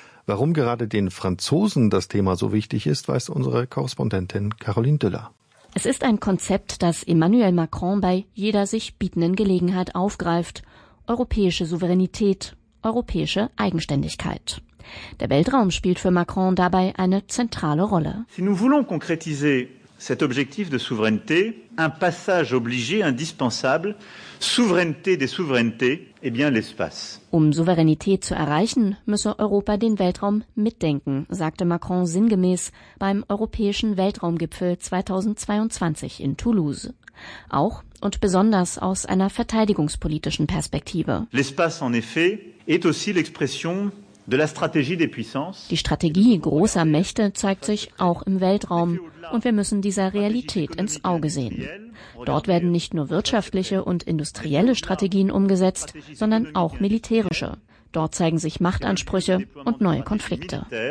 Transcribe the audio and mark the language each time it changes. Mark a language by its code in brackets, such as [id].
[de] Warum gerade den Franzosen das Thema so wichtig ist, weiß unsere Korrespondentin Caroline Düller. Es ist ein Konzept, das Emmanuel Macron bei jeder sich bietenden Gelegenheit aufgreift. Europäische Souveränität, europäische Eigenständigkeit. Der Weltraum spielt für Macron dabei eine zentrale Rolle. [fr] Si nous voulons concrétiser cet objectif de souveraineté, un passage obligé, indispensable, souveraineté des souverainetés, eh bien l'espace. [de] Um Souveränität zu erreichen, müsse Europa den Weltraum mitdenken, sagte Macron sinngemäß beim Europäischen Weltraumgipfel 2022 in Toulouse. Auch und besonders aus einer verteidigungspolitischen Perspektive. [fr] L'espace en effet est aussi l'expression de la stratégie des puissances. [de] Die Strategie großer Mächte zeigt sich auch im Weltraum. Und wir müssen dieser Realität ins Auge sehen. Dort werden nicht nur wirtschaftliche und industrielle Strategien umgesetzt, sondern auch militärische. Dort zeigen sich Machtansprüche und neue Konflikte.